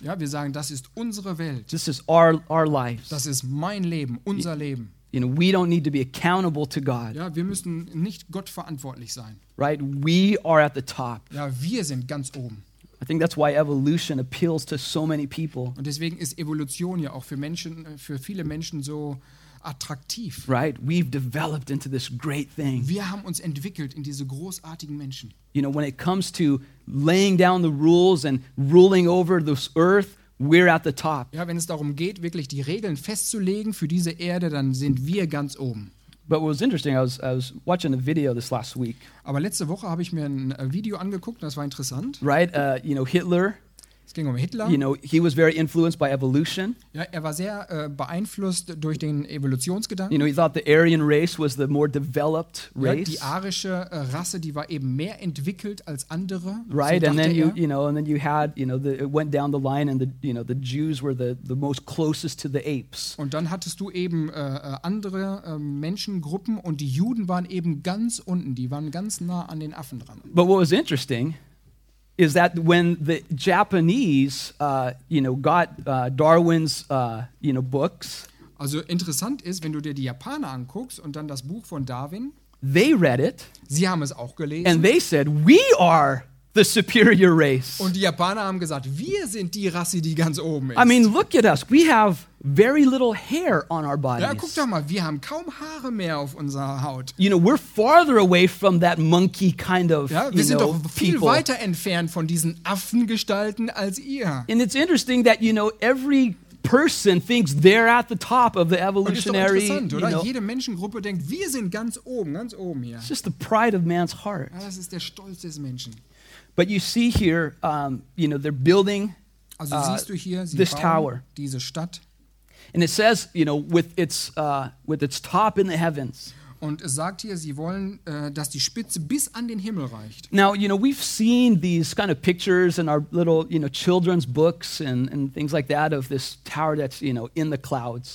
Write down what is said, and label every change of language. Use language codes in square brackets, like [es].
[de] Ja, wir sagen, das ist unsere Welt. [en] This is our lives. [de] Das ist mein Leben, unser Leben. [en] You know, we don't need to be accountable to God. [de] Ja, wir müssen nicht Gott verantwortlich sein. [en] Right, we are at the top. [de] Ja, wir sind ganz oben. [en] I think that's why evolution appeals to so many people. [de] Und deswegen ist Evolution ja auch für viele Menschen so attraktiv. [en] Right, we've developed into this great thing. [de] Wir haben uns entwickelt in diese großartigen Menschen. [en] You know, when it comes to laying down the rules and ruling over this earth, we're at the top. [de] Ja, wenn es darum geht, wirklich die Regeln festzulegen für diese Erde, dann sind wir ganz oben. [en] But what was interesting, I was watching a video this last week. [de] Aber letzte Woche habe ich mir ein Video angeguckt, das war interessant. [en] Right, you know, Hitler. [de] Es ging um Hitler. [en] You know, he was very influenced by evolution. [de] Ja, er war sehr beeinflusst durch den Evolutionsgedanken. [en] You know, he thought the Aryan race was the more developed race. [de] Ja, die arische Rasse, die war eben mehr entwickelt als andere. [en] Right, so and then er. It went down the line, and the Jews were the most closest to the apes. [de] Und dann hattest du eben andere Menschengruppen, und die Juden waren eben ganz unten. Die waren ganz nah an den Affen dran. [en] But what was interesting is that when the Japanese Darwin's books, [de] also interessant ist, wenn du dir die Japaner anguckst und dann das Buch von Darwin, [en] they read it, [de] sie haben es auch gelesen, [en] and they said, we are the superior race. [de] Und die Japaner haben gesagt, wir sind die Rasse, die ganz oben ist. [en] I mean, look at us, we have very little hair on our bodies. [de] Ja, guck doch mal, wir haben kaum Haare mehr auf unserer Haut. [en] You know, we're farther away from that monkey kind of, [de] ja, wir sind doch viel weiter entfernt von diesen Affengestalten als ihr. [en] And it's interesting that, you know, every person thinks they're at the top of the evolutionary. [de] Und ist doch interessant, oder? Jede Menschengruppe denkt, wir sind ganz oben hier. [en] It's just the pride of man's heart. [de] Ja, das ist der Stolz des Menschen. [en] But you see here, they're building [de] also siehst du hier, sie [en] this [de] bauen [en] tower. [de] Diese Stadt. [en] And it says, you know, with its top in the heavens. [de] Und es sagt hier, sie wollen, dass die Spitze bis an den Himmel reicht. [en] Now, you know, we've seen these kind of pictures in our little, you know, children's books and things like that of this tower that's, you know, in the clouds.